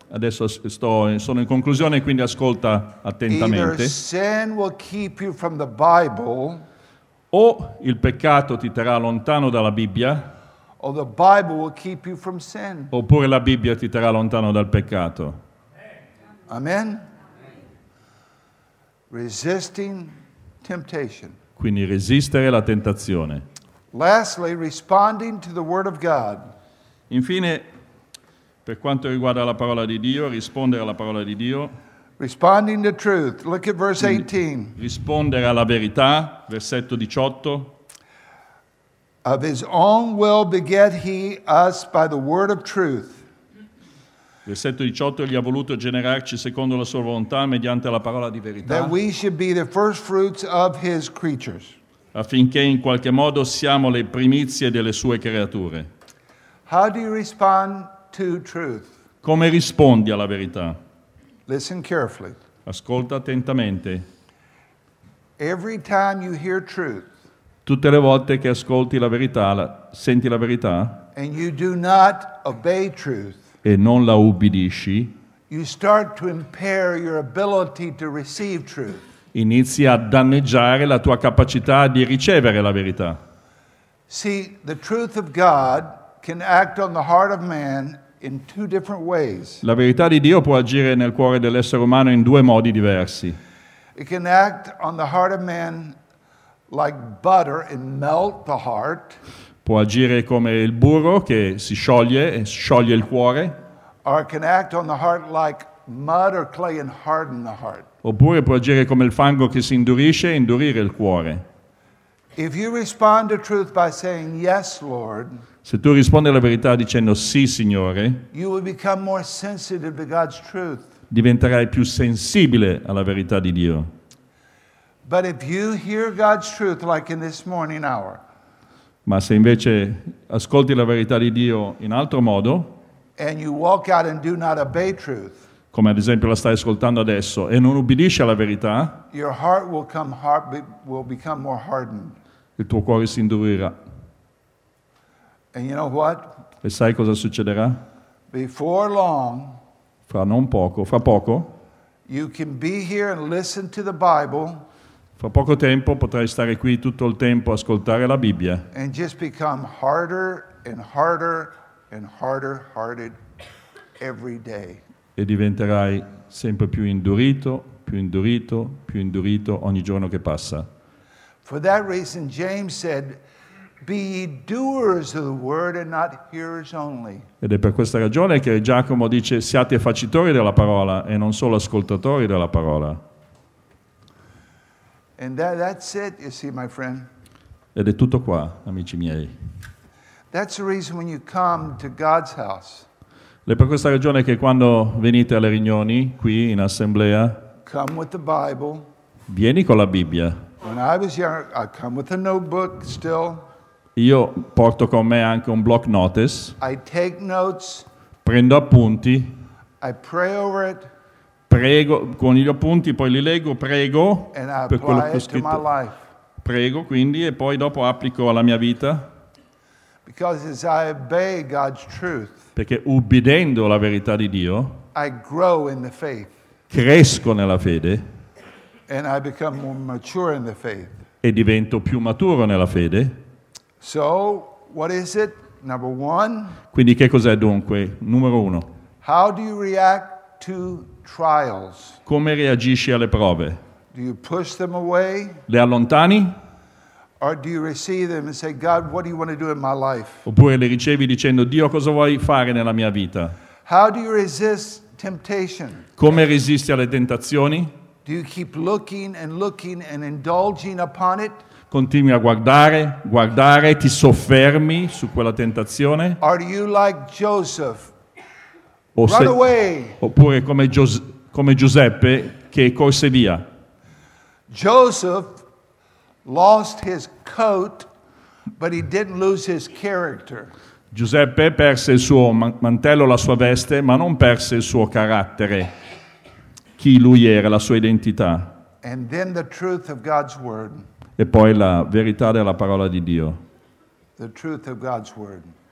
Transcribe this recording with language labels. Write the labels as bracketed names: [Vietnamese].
[Italian] Adesso sono in conclusione, quindi ascolta attentamente. [English] Either sin will keep you from the Bible, [Italian] o il peccato ti terrà lontano dalla Bibbia, [English] or the Bible will keep you from sin. [Italian] Oppure la Bibbia ti terrà lontano dal peccato. [English] Amen. Resisting temptation. [Italian] Quindi resistere la tentazione. [English] Lastly, responding to the word of God. [Italian] Infine, per quanto riguarda la parola di Dio, rispondere alla parola di Dio. [English] Responding to truth. Look at verse 18. [Italian] Rispondere alla verità, versetto 18. [English] Of his own will beget he us by the word of truth. [Italian] Versetto 18, egli ha voluto generarci secondo la sua volontà mediante la parola di verità. [English] That we should be the first fruits of his creatures. [Italian] Affinché in qualche modo siamo le primizie delle sue creature. [English] How do you respond to truth? [Italian] Come rispondi alla verità? [English] Listen carefully. [Italian] Ascolta attentamente. [English] Every time you hear truth, [Italian] tutte le volte che ascolti la verità, senti la verità, [English] and you do not obey truth, [Italian] e non la ubbidisci, [English] you start to impair your ability to receive truth. [Italian] Inizi a danneggiare la tua capacità di ricevere la verità. [English] See, the truth of God can act on the heart of man in two different ways. [Italian] La verità di Dio può agire nel cuore dell'essere umano in due modi diversi. [English] It can act on the heart of man like butter and melt the heart. [Italian] Può agire come il burro che si scioglie e scioglie il cuore. [English] Or it can act on the heart like mud or clay and harden the heart. [Italian] Oppure può agire come il fango che si indurisce e indurire il cuore. [English] If you respond to truth by saying, yes, Lord, [Italian] se tu rispondi alla verità dicendo sì, Signore, [English] you will become more sensitive to God's truth. [Italian] Diventerai più sensibile alla verità di Dio. [English] But if you hear God's truth, like in this morning hour, [Italian] ma se invece ascolti la verità di Dio in altro modo, [English] and you walk out and do not obey truth, [Italian] come ad esempio la stai ascoltando adesso, e non ubbidisci alla verità, [English] your heart will come hard, will become more hardened. [Italian] Il tuo cuore si indurirà. [English] And you know what? [Italian] E sai cosa succederà? [English] Before long, [Italian] fra non poco, fra poco, [English] you can be here and listen to the Bible, [Italian] fra poco tempo potrai stare qui tutto il tempo a ascoltare la Bibbia, [English] and just become harder and harder and harder hearted every day. [Italian] E diventerai sempre più indurito, più indurito, più indurito ogni giorno che passa. [English] For that reason James said, be ye doers of the word and not hearers only. [Italian] Ed è per questa ragione che Giacomo dice siate facitori della parola e non solo ascoltatori della parola. [English] And that's it, you see, my friend. [Italian] Ed è tutto qua, amici miei. [English] That's the reason when you come to God's house. [Italian] È per questa ragione che quando venite alle riunioni qui in assemblea, [English] come with the Bible. [Italian] Vieni con la Bibbia. [English] When I was young, I come with a notebook still. [Italian] Io porto con me anche un block notes. [English] I take notes. [Italian] Prendo appunti. [English] I pray over it. [Italian] Prego con gli appunti, poi li leggo, prego [English] and [Italian] per [English] I apply [Italian] quello che ho scritto. [English] It to my life. [Italian] Prego quindi e poi dopo applico alla mia vita. [English] Because as I obey God's truth, [Italian] perché ubbidendo la verità di Dio, [English] I grow in the faith. [Italian] Cresco nella fede. [English] And I become more mature in the faith. [Italian] E divento più maturo nella fede. [English] So, what is it? Number one. [Italian] Quindi che cos'è dunque? Numero uno. [English] How do you react to trials? [Italian] Come reagisci alle prove? [English] Do you push them away? [Italian] Le allontani? [English] Or do you receive them and say, God, what do you want to do in my life? [Italian] Oppure le ricevi dicendo, Dio, cosa vuoi fare nella mia vita? [English] How do you resist temptation? [Italian] Come resisti alle tentazioni? [English] Do you keep looking and looking and indulging upon it? [Italian] Continui a guardare, guardare, ti soffermi su quella tentazione? [English] Are you like Joseph? Run away. [Italian] Oppure come Giuseppe che corse via? [English] Joseph lost his coat, but he didn't lose his character. [Italian] Giuseppe perse il suo mantello, la sua veste, ma non perse il suo carattere, chi lui era, la sua identità. [English] And then the truth of God's word. [Italian] E poi la verità della parola di Dio. [English] The truth of God's word.